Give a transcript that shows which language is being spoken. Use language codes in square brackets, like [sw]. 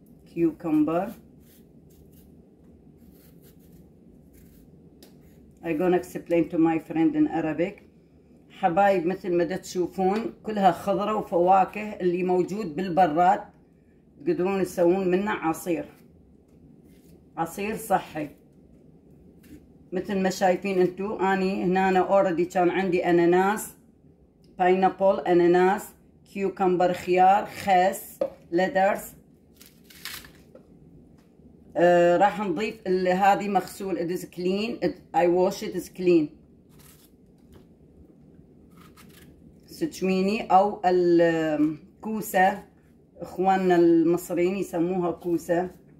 [en] Cucumber. I'm gonna explain to my friend in Arabic. [ar] حبايب مثل ما تشوفون كلها خضرة وفواكه اللي موجود بالبراد، تقدرون تسوون منه عصير، عصير صحي. مثل ما شايفين انتو، اني هنا أنا [en] already [ar] كان عندي اناناس، باينابل، اناناس، كيوكمبر، خيار، خس، ليدرز. راح نضيف اللي هذه مغسول، [en] it is clean, I wash it, is clean. [ar] ستشويني او الكوسة، اخواننا المصريين يسموها كوسة.